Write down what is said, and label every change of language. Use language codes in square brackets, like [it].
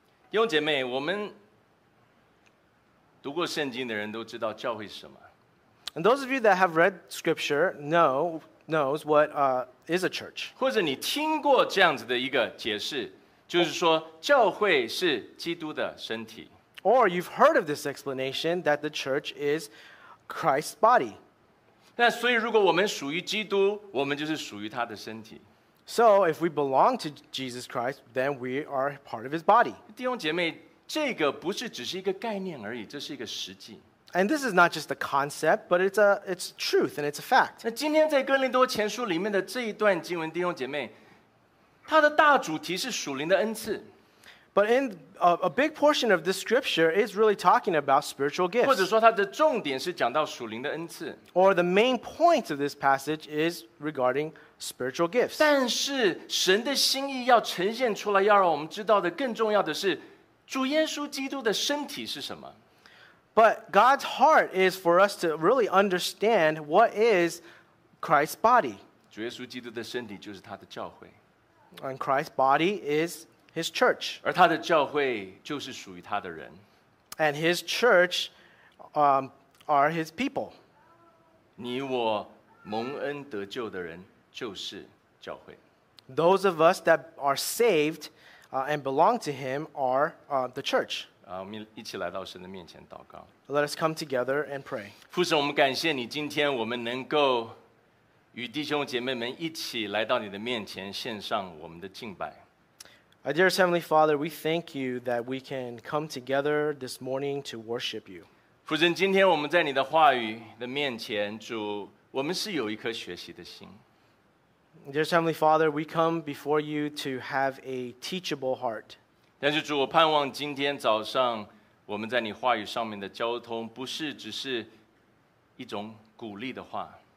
[zh] 弟兄姐妹，我们读过圣经的人都知道教会是什么。 [en] And those of you that have read scripture knows what is a church. [zh] 或者你听过这样子的一个解释，就是说教会是基督的身体。 [en] Or you've heard of this explanation that the church is Christ's body. [zh] 那所以如果我们属于基督，我们就是属于他的身体。 [en] So if we belong to Jesus Christ, then we are part of his body. [zh] 弟兄姐妹，这个不是只是一个概念而已，这是一个实际。 [en] And this is not just a concept, but it's truth and it's a fact. [zh] 那今天在哥林多前书里面的这一段经文，弟兄姐妹，它的大主题是属灵的恩赐。 [en] But in a big portion of this scripture is really talking about spiritual gifts. [zh] 或者说它的重点是讲到属灵的恩赐。 [en] Or the main point of this passage is regarding spiritual gifts. [zh] 但是神的心意要呈现出来，要让我们知道的更重要的是，主耶稣基督的身体是什么。 [en] But God's heart is for us to really understand what is Christ's body. [zh] 主耶稣基督的身体就是他的教会。 [en] And Christ's body is His church. [zh] 而他的教会就是属于他的人。 [en] And his church, are his people. [zh] 你我蒙恩得救的人就是教会。 [en] Those of us that are saved, and belong to him are, the church. [zh] 我们一起来到神的面前祷告。 [en] Let us come together and pray. [zh] 父神，我们感谢你，今天我们能够与弟兄姐妹们一起来到你的面前，献上我们的敬拜。 [en] Dear Heavenly Father, we thank you that we can come together this morning to worship you. [zh] 父神，今天我们在你的话语的面前，主，我们是有一颗学习的心。 [en] Dear Heavenly Father, we come before you to have a teachable heart. [zh] 但是主，我盼望今天早上我们在你话语上面的交通，不是只是一种鼓励的话。